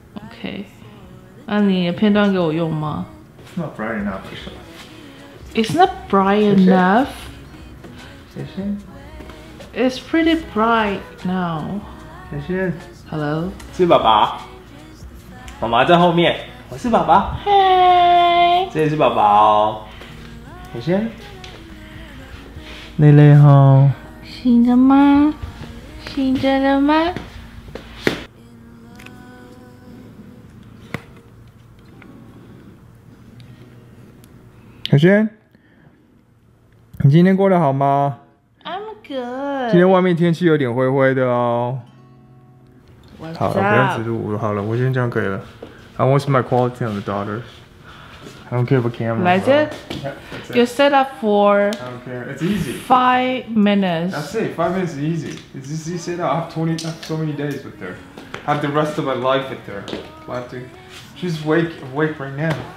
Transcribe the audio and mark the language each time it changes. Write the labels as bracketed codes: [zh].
[en] Okay, [zh] 那你的片段给我用吗 [en] ？It's not bright enough, for sure. It's not bright enough. Is it? It's pretty bright now. Is it? Hello. [zh] 是爸爸。妈妈在后面，我是爸爸。嗨，这里是爸爸哦。我先，累累吼。醒着吗？醒着了吗？小轩，你今天过得好吗 [en] ？I'm good。 [zh] 今天外面天气有点灰灰的哦。 [en] What's、 [zh] 好了，不要指着我好了，我先这样可以了。 [en] I want my quality of the daughter. I don't care about camera. Like it? Yeah, you set up for. I don't care. It's easy. 5 minutes. That's it. 5 minutes is easy. It's just you set up. I have 20, so many days with her. I have the rest of my life with her. I have to. She's awake right now.